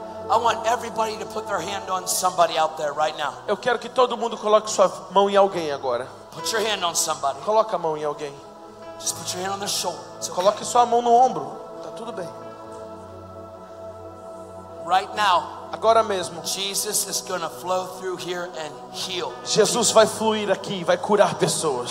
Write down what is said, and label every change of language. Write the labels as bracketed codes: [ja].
[en] I want everybody to put their hand on somebody out there right now. [pt] Eu quero que todo mundo coloque sua mão em alguém agora. [en] Put your hand on somebody. [pt] Coloca a mão em alguém. [en] Just put your hand on their shoulder. It's okay. [pt] Coloque sua mão no ombro. Tá tudo bem. [en] Right now. [pt] Agora mesmo. [en] Jesus is going to flow through here and heal. [pt] Jesus vai fluir aqui e vai curar pessoas.